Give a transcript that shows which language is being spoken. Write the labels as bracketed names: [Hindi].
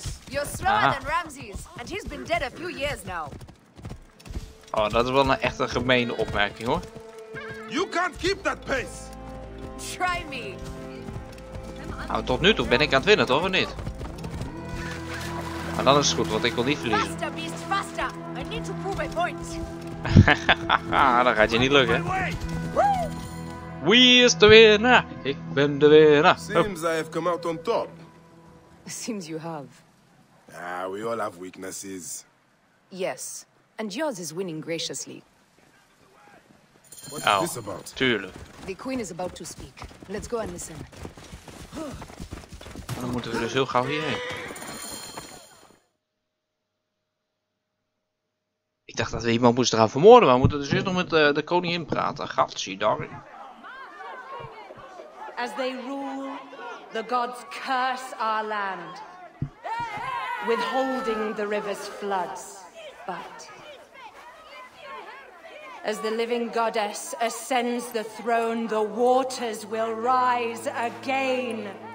[English] You're slower than Ramses, and he's been dead a few years now. [Dutch] Oh, dat is wel een echte gemeene opmerking hoor. [English] You can't keep that pace. Try me. [Dutch] Nou, tot nu toe ben ik aan het winnen, toch, of niet? Maar dan is het goed, want ik wil niet verliezen. [English] Faster, beast, faster. I need to prove my point. [Dutch] Dat gaat je niet lukken. Wie is de winnaar? Ik ben de winnaar. [English] Seems I have come out on top. Seems you have. We all have weaknesses. Yes, and yours is winning graciously. What is this about? [Dutch] Tuurlijk. [English] The queen is about to speak. Let's go and listen. [Dutch] Dan moeten we dus heel gauw hierheen. Ik dacht dat we iemand moesten gaan vermoorden, maar we moeten dus eerst nog met de koningin praten. [English] Gatsi, darling. As they rule, the gods curse our land, withholding the river's floods. But as the living goddess ascends the throne, the waters will rise again.